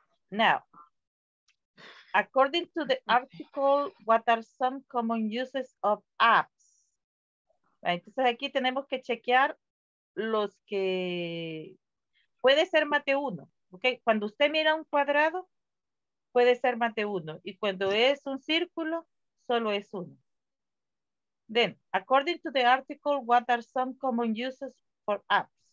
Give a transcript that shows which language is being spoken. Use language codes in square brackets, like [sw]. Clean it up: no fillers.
[en] Now, according to the article, what are some common uses of apps? [es] Entonces aquí tenemos que chequear los que puede ser Mate 1. Okay. Cuando usted mira un cuadrado, puede ser Mate 1. Y cuando es un círculo, solo es uno. [en] Then, according to the article, what are some common uses for apps?